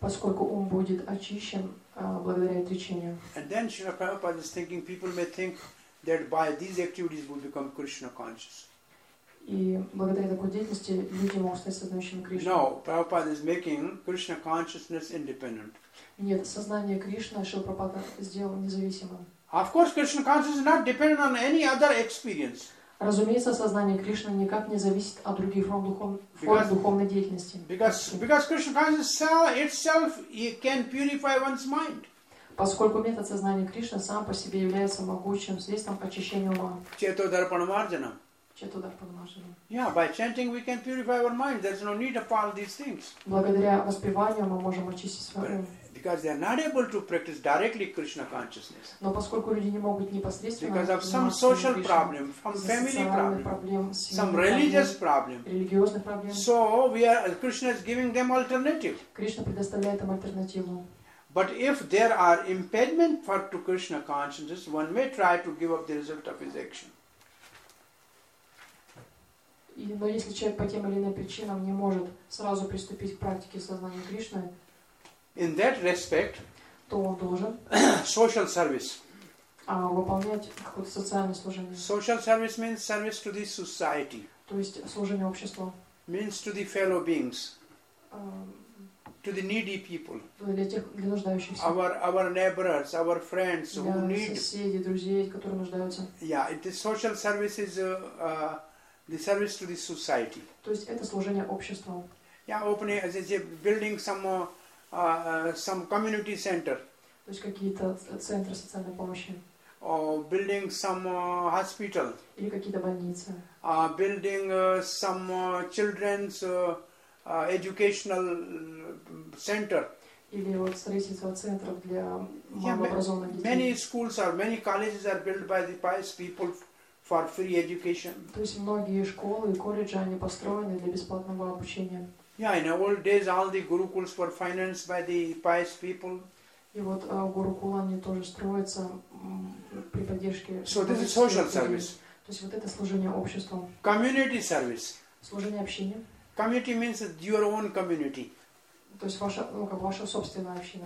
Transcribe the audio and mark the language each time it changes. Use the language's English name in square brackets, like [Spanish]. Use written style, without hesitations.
[Russian] Поскольку ум будет очищен благодаря отречению. [English] And then Srila Prabhupada is thinking, people may think that by these activities will become Krishna conscious. [Russian] И благодаря такой деятельности люди могут стать сознающими Кришну. [English] No, Prabhupada is making Krishna consciousness independent. [Russian] Нет, сознание Кришны Шрила Прабхупада сделал независимым. [English] Of course, Krishna consciousness is not dependent on any other experience. [Russian] Разумеется, сознание Кришны никак не зависит от других форм духовной деятельности. [English] Because Krishna consciousness itself can purify one's mind. [Russian] Поскольку метод сознания Кришны сам по себе является могучим средством очищения ума. Чето дарпана марджанам. Чатудар Падмашана. [English] Yeah, by chanting we can purify our mind. There's no need of all these things. [Russian] Благодаря воспеванию мы можем очистить свою ум. [English] Because they are not able to practice directly Krishna consciousness. [Russian] Но поскольку люди не могут непосредственно. [English] Because of some social problem, from family problem, some religious problem. [Russian] Религиозных проблем. [English] So we are Krishna is giving them alternative. [Russian] Кришна предоставляет им альтернативу. [English] But if there are impediment for to Krishna consciousness, one may try to give up the result of his action. [Russian] Но если человек по тем или иным причинам не может сразу приступить к практике сознания Кришны, [English] in that respect, [Russian] то он должен [English] social service. [Russian] Выполнять какое-то социальное служение. [English] Social service means service to the society. [Russian] То есть служение обществу. [English] Means to the fellow beings. To the needy people. [Russian] Для тех, для нуждающихся. [English] Our neighbors, our friends who need. [Russian] Для соседей, друзей, которые нуждаются. [English] Yeah, it is social service is the service to the society. [Russian] То есть это служение обществу. [English] Yeah, opening as a building some community center. [Russian] То есть какие-то центры социальной помощи. [English] Or building some hospital. [Russian] Или какие-то больницы. [English] Building some children's educational center. [Russian] Или вот строительство центров для малообразованных детей. [English] Many schools or many colleges are built by the pious people for free education. [Russian] То есть многие школы и колледжи они построены для бесплатного обучения. [English] Yeah, in old days all the gurukuls were financed by the pious people. [Russian] И вот гурукула они тоже строятся при поддержке. [English] So this is social service. [Russian] То есть вот это служение обществу. [English] Community service. [Russian] Служение общине. [English] Community means your own community. [Russian] То есть ваша, ну как ваша собственная община.